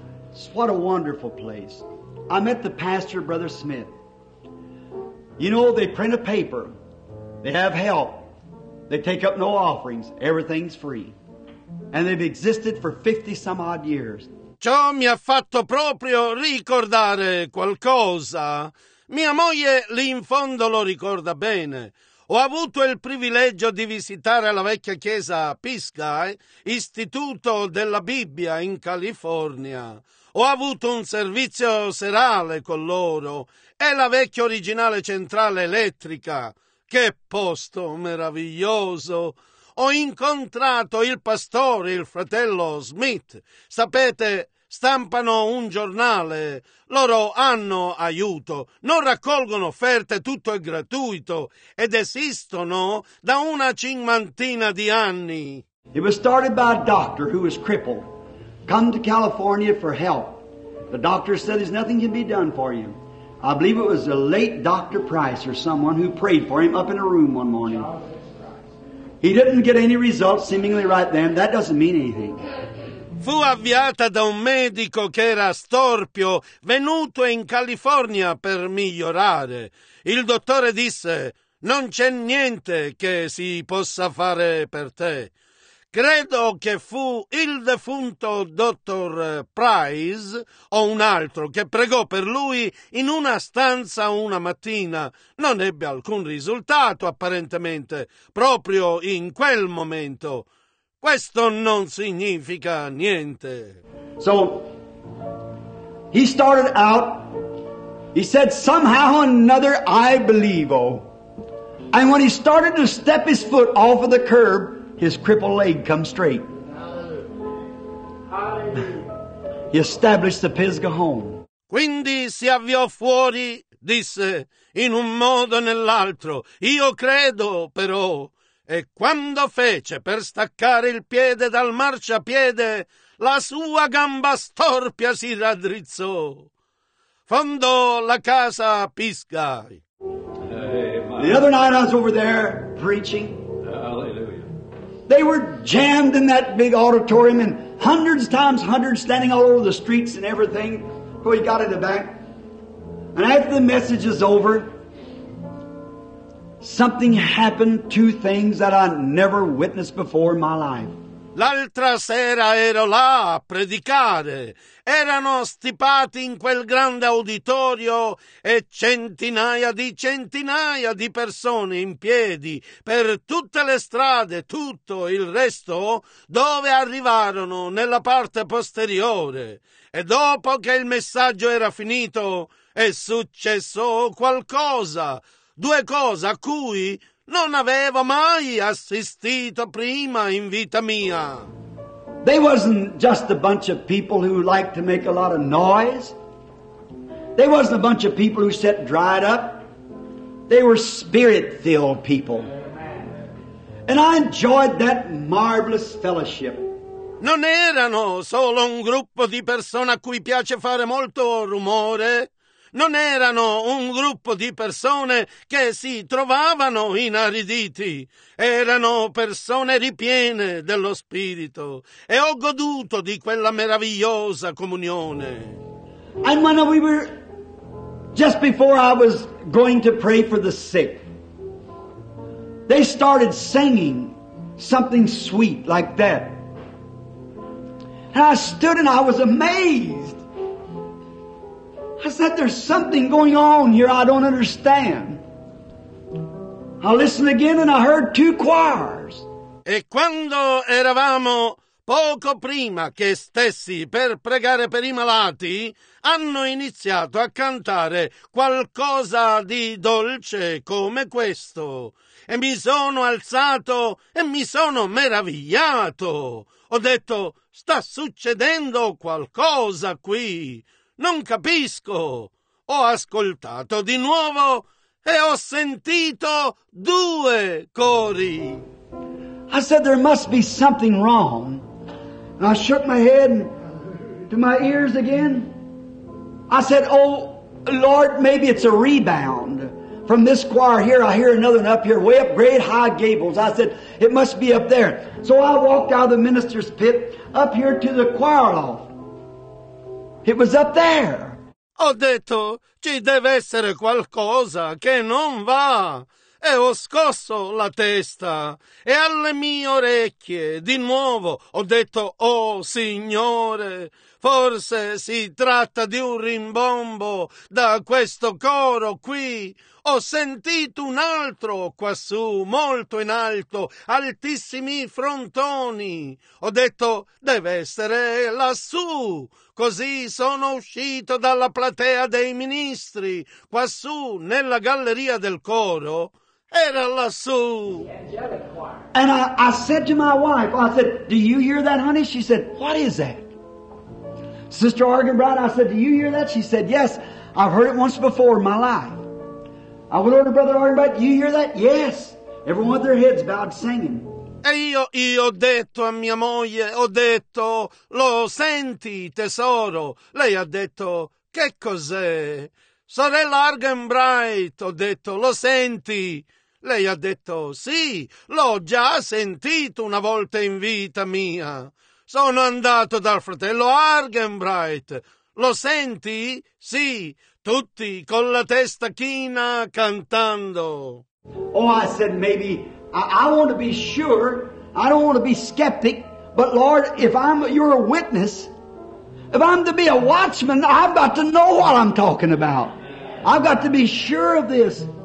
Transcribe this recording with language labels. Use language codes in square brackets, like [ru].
[en] It's what a wonderful place. I met the pastor, Brother Smith. You know, they print a paper. They have help. They take up no offerings. Everything's free. And they've existed for 50-some-odd years. [it] Ciò mi ha fatto proprio ricordare qualcosa. Mia moglie lì in fondo lo ricorda bene. Ho avuto il privilegio di visitare la vecchia chiesa Pisgah, Istituto della Bibbia in California. Ho avuto un servizio serale con loro e la vecchia originale centrale elettrica. Che posto meraviglioso! Ho incontrato il pastore, il fratello Smith. Sapete, stampano un giornale. Loro hanno aiuto. Non raccolgono offerte, tutto è gratuito. Ed esistono da una cinquantina di anni. [en] It was started by a doctor who was crippled. Come to California for help. The doctor said there's nothing can be done for you. I believe it was the late Dr. Price or someone who prayed for him up in a room one morning. He didn't get any results seemingly right then. That doesn't mean anything. [it] Fu avviata da un medico che era storpio, venuto in California per migliorare. Il dottore disse, non c'è niente che si possa fare per te. Credo che fu il defunto dottor Price o un altro che pregò per lui in una stanza una mattina. Non ebbe alcun risultato, apparentemente, proprio in quel momento. Questo non significa niente. [en] So, he started out, he said, somehow or another I believe, oh. And when he started to step his foot off of the curb, his crippled leg comes straight. He established the Pisgah home. [it] Quindi si avviò fuori, disse, in un modo o nell'altro. Io credo, però. E quando fece per staccare il piede dal marciapiede, la sua gamba storpia si raddrizzò. Fondò la casa Pisgah. Hey, [en] the other night I was over there preaching. They were jammed in that big auditorium and hundreds times hundreds standing all over the streets and everything. So he got in the back. And after the message is over, something happened, two things that I never witnessed before in my life. [it] L'altra sera ero là a predicare. Erano stipati in quel grande auditorio e centinaia di persone in piedi per tutte le strade, tutto il resto, dove arrivarono nella parte posteriore. E dopo che il messaggio era finito, è successo qualcosa, due cose a cui non avevo mai assistito prima in vita mia. [en] They wasn't just a bunch of people who liked to make a lot of noise. They wasn't a bunch of people who sat dried up. They were spirit-filled people. And I enjoyed that marvelous fellowship. [it] Non erano solo un gruppo di persone a cui piace fare molto rumore. Non erano un gruppo di persone che si trovavano inariditi. Erano persone ripiene dello Spirito. E ho goduto di quella meravigliosa comunione. [en] And when we were, just before I was going to pray for the sick, they started singing something sweet like that. And I stood and I was amazed. I said, there's something going on here I don't understand. I listened again and I heard two choirs. [it] E quando eravamo poco prima che stessi per pregare per i malati, hanno iniziato a cantare qualcosa di dolce come questo. E mi sono alzato e mi sono meravigliato. Ho detto, sta succedendo qualcosa qui. Non capisco. Ho ascoltato di nuovo e ho sentito due cori. [en] I said, there must be something wrong. And I shook my head to my ears again. I said, oh, Lord, maybe it's a rebound from this choir here. I hear another one up here, way up great high gables. I said, it must be up there. So I walked out of the minister's pit up here to the choir loft. It was up there. [it] Ho detto, ci deve essere qualcosa che non va. E ho scosso la testa e alle mie orecchie di nuovo ho detto, oh Signore, forse si tratta di un rimbombo da questo coro qui. Ho sentito un altro quassù, molto in alto, altissimi frontoni. Ho detto, deve essere lassù. Così sono uscito dalla platea dei ministri, quassù nella galleria del coro. Era lassù. [en] And I said to my wife, I said, do you hear that, honey? She said, what is that? Sister Argenbright, I said, do you hear that? She said, yes, I've heard it once before in my life. I went over to Brother Argenbright, do you hear that? Yes. Everyone with their heads bowed singing. [it] E io ho detto a mia moglie, ho detto, lo senti, tesoro? Lei ha detto, che cos'è? Sorella Argenbright, ho detto, lo senti? Lei ha detto, sì, l'ho già sentito una volta in vita mia. Sono andato dal fratello Argenbright. Lo senti? Sì, tutti con la testa china cantando. [en] Oh, I said, maybe, I want to be sure, I don't want to be skeptic, but Lord, if I'm your witness, if I'm to be a watchman, I've got to know what I'm talking about. I've got to be sure of this.